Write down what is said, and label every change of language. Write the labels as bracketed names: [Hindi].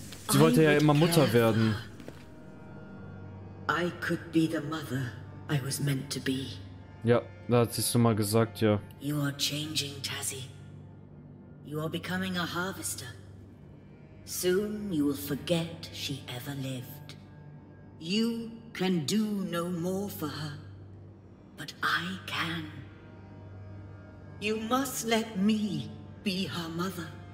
[German] Sie wollte ja immer Mutter werden. [English] I could be the mother I was meant to be. [German] Ja, da hat sie es schon mal gesagt, ja. [English] You are changing, Tazzy. You are becoming a harvester. Soon you will forget she ever lived. You can do no more for her. But I can. You must let me be her mother.